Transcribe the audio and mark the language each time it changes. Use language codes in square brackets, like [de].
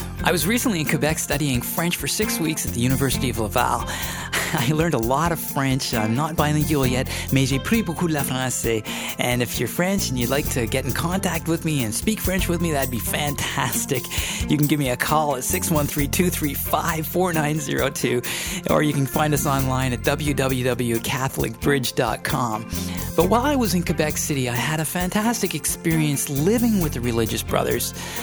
[en] I was recently in Quebec studying French for 6 weeks at the University of Laval. I learned a lot of French. I'm not bilingual yet, [fr] mais j'ai pris beaucoup de la français. [en] And if you're French and you'd like to get in contact with me and speak French with me, that'd be fantastic. You can give me a call at 613-235-4902, or you can find us online at www.catholicbridge.com. But while I was in Quebec City, I had a fantastic experience living with the religious brothers.